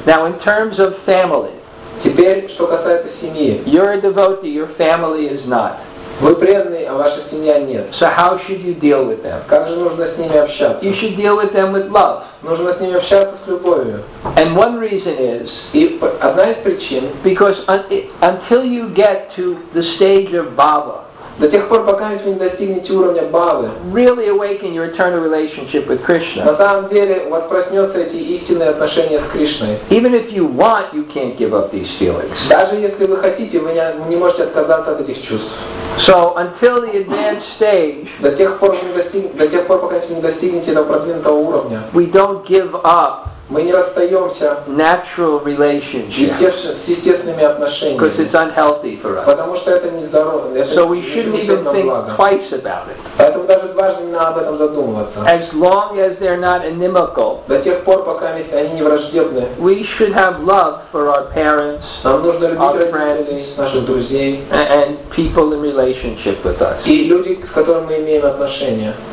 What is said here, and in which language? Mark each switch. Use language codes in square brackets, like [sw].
[en] Now in terms of family. [ru] Теперь, что касается семьи. [en] You're a devotee, your family is not. [ru] Вы преданный, а ваша семья нет. [en] So how should you deal with them? [ru] Как же нужно с ними общаться? [en] You should deal with them with love. [ru] Нужно с ними общаться с любовью. [en] And one reason is. [ru] И одна из причин. [en] Because until you get to the stage of bhava. [ru] До тех пор, пока вы не достигнете уровня бхавы, [en] really awaken your eternal relationship with Krishna. [ru] На самом деле, у вас проснется эти истинные отношения с Кришной. [en] Even if you want, you can't give up these feelings. [ru] Даже если вы хотите, вы не можете отказаться от этих чувств. [en] So until the advanced stage, [ru] до тех пор, пока вы не достигнете этого продвинутого уровня, [en] we don't give up. [ru] Мы не расстаемся [en] natural relationships, [ru] с естественными отношениями. [en] Because it's unhealthy for us. [ru] Потому что это нездорово. [en] So we shouldn't even think twice about it. [ru] Поэтому даже дважды не надо об этом задумываться. [en] As long as they're not inimical. [ru] До тех пор, пока они не враждебны. [en] We should have love for our parents, [ru] нам нужно любить родителей, наших друзей. [en] And people in relationship with us. [ru] И люди, с которыми мы имеем отношения.